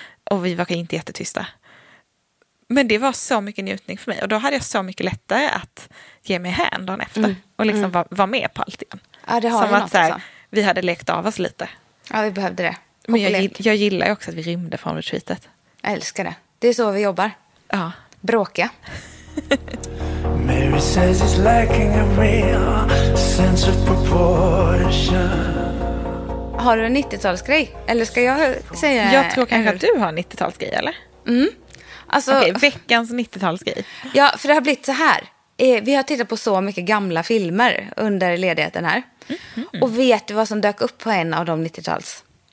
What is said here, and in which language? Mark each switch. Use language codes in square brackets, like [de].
[sv] Och vi var inte jättetysta. Men det var så mycket njutning för mig. Och då hade jag så mycket lättare att ge mig hän dagen efter. Och liksom vara med på allt igen. Ja, det har som att så här, vi hade lekt av oss lite. Ja, vi behövde det. Hopp. Men jag gillar ju också att vi rymde från retreatet. Jag älskar det. Det är så vi jobbar. Ja. Bråka. [en] Mary says it's lacking a real sense of proportion. [sv] Har du en 90-talsgrej? Eller ska jag säga... Jag tror kanske att du har en 90-talsgrej, eller? Mm. Alltså, okay, veckans 90-talsgrej. Ja, för det har blivit så här. Vi har tittat på så mycket gamla filmer under ledigheten här. Mm-hmm. Och vet du vad som dök upp på en av de 90-tals?